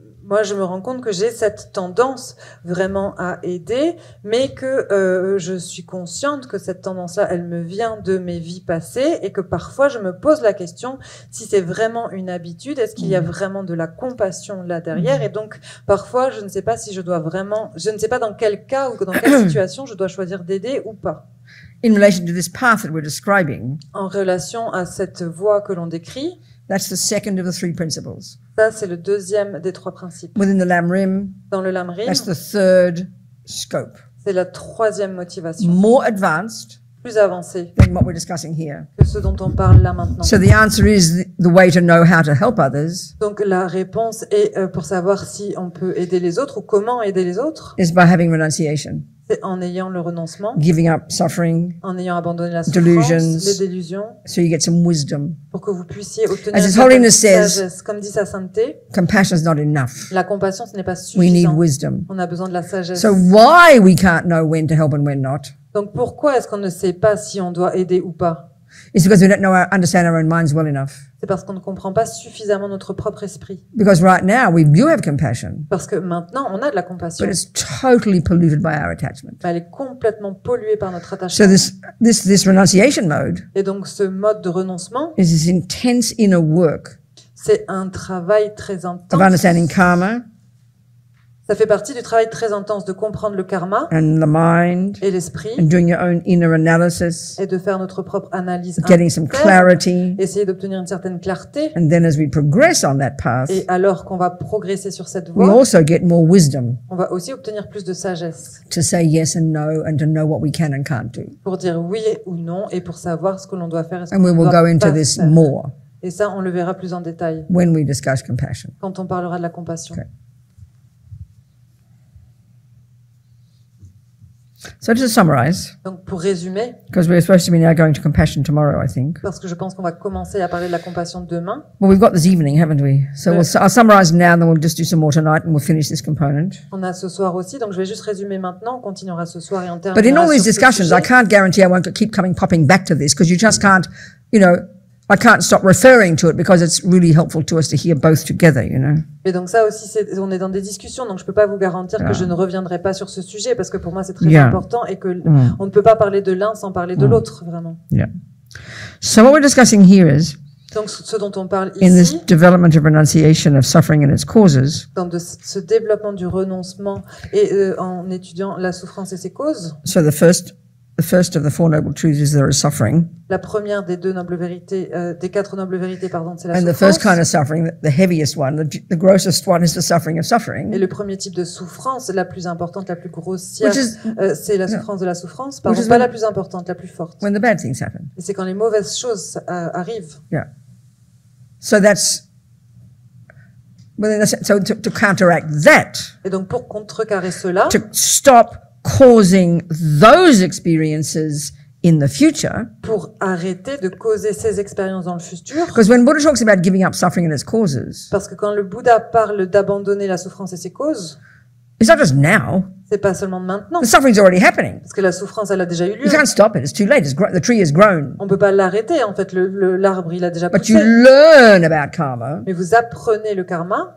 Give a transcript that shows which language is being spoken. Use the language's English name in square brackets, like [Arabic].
[French] moi, je me rends compte que j'ai cette tendance vraiment à aider, mais que je suis consciente que cette tendance-là, elle me vient de mes vies passées et que parfois, je me pose la question si c'est vraiment une habitude, est-ce qu'il y a vraiment de la compassion là derrière ? Et donc, parfois, je ne sais pas si je dois vraiment... Je ne sais pas dans quel cas ou dans quelle situation je dois choisir d'aider ou pas. [English] In relation to this path that we're describing, [French] en relation à cette voie que l'on décrit, [English] that's the second of the three principles. [French] Ça, c'est le deuxième des trois principes. [English] Within the lam rim, [French] dans le lam rim, [English] that's the third scope. [French] C'est la troisième motivation. [English] More advanced, [French] plus avancée, [English] than what we're discussing here. [French] Que ce dont on parle là maintenant. [English] So the answer is the way to know how to help others. [French] Donc la réponse est pour savoir si on peut aider les autres ou comment aider les autres. [English] Is by having renunciation. [French] C'est en ayant le renoncement, [English] giving up suffering, [French] en ayant abandonné la souffrance, les délusions, [English] so you get some wisdom. [French] Pour que vous puissiez obtenir [English] as His Holiness says, [French] comme dit sa sainteté, [English] compassion is not enough. [French] La compassion, ce n'est pas suffisant. [English] We need wisdom. [French] On a besoin de la sagesse. [English] So why we can't know when to help and when not? [French] Donc pourquoi est-ce qu'on ne sait pas si on doit aider ou pas? [English] It's because we don't know, understand our own minds well enough. [French] C'est parce qu'on ne comprend pas suffisamment notre propre esprit. [English] Because right now we do have compassion. [French] Parce que maintenant on a de la compassion. [English] But it's totally polluted by our attachment. [French] Mais elle est complètement polluée par notre attachement. [English] So this renunciation mode. [French] Et donc ce mode de renoncement. [English] Is this intense inner work. [French] C'est un travail très intense. [English] Of understanding karma. [French] Ça fait partie du travail très intense de comprendre le karma [English] and the mind, [French] et l'esprit [English] and doing your own inner analysis, [French] et de faire notre propre analyse [English] getting some clarity, [French] essayer d'obtenir une certaine clarté [English] and then as we progress on that path, [French] et alors qu'on va progresser sur cette voie [English] we also get more wisdom, [French] on va aussi obtenir plus de sagesse [English] to say yes and no and to know what we can and can't do. [French] Pour dire oui ou non et pour savoir ce que l'on doit faire et ce [English] and [French] qu'on [English] we will [French] doit [English] go into this [French] faire. [English] More [French] et ça on le verra plus en détail [English] when we discuss compassion. [French] Quand on parlera de la compassion. [English] Okay. So to summarize, [French] donc pour résumer, [English] because we're supposed to be now going to compassion tomorrow, I think. [French] Parce que je pense qu'on va commencer à parler de la compassion demain. [English] Well, we've got this evening, haven't we? So I'll summarize now, and then we'll just do some more tonight, and we'll finish this component. [French] On a ce soir aussi, donc je vais juste résumer maintenant. On continuera ce soir et on terminera. [English] But in all these discussions, I can't guarantee I won't keep coming popping back to this, because you just can't, you know. I can't stop referring to it because it's really helpful to us to hear both together, you know. [French] Et donc ça aussi, c'est, on est dans des discussions, donc je peux pas vous garantir que je ne reviendrai pas sur ce sujet parce que pour moi c'est très important et que on ne peut pas parler de l'un sans parler de l'autre, vraiment. [English] Yeah. So what we're discussing here is. [French] Donc, ce dont on parle ici, [English] in this development of renunciation of suffering and its causes, [French] dans ce développement du renoncement et en étudiant la souffrance et ses causes. [English] So the first of the four noble truths is there is suffering. [French] La première des deux nobles vérités, des quatre nobles vérités, pardon, c'est la souffrance. [English] And the first kind of suffering, the heaviest one, the grossest one, is the suffering of suffering. [French] Et le premier type de souffrance, la plus importante, la plus grossière, c'est la souffrance de la souffrance, pardon, pas la plus importante, la plus forte. [English] When the bad things happen. [French] Et c'est quand les mauvaises choses arrivent. [English] Yeah. So that's. Well, so to counteract that. [French] Et donc pour contrecarrer cela. [English] To stop. Causing those experiences in the future. [French] Pour arrêter de causer ces expériences dans le futur. [English] Because when Buddha talks about giving up suffering and its causes. [French] Parce que quand le Bouddha parle d'abandonner la souffrance et ses causes. [English] It's not just now. [French] C'est pas seulement maintenant. [English] The suffering's already happening. [French] Parce que la souffrance, elle a déjà eu lieu. [English] You can't stop it. It's too late. The tree has grown. [French] On peut pas l'arrêter. En fait, l'arbre, il a déjà poussé. [English] But you learn about karma. [French] Mais vous apprenez le karma.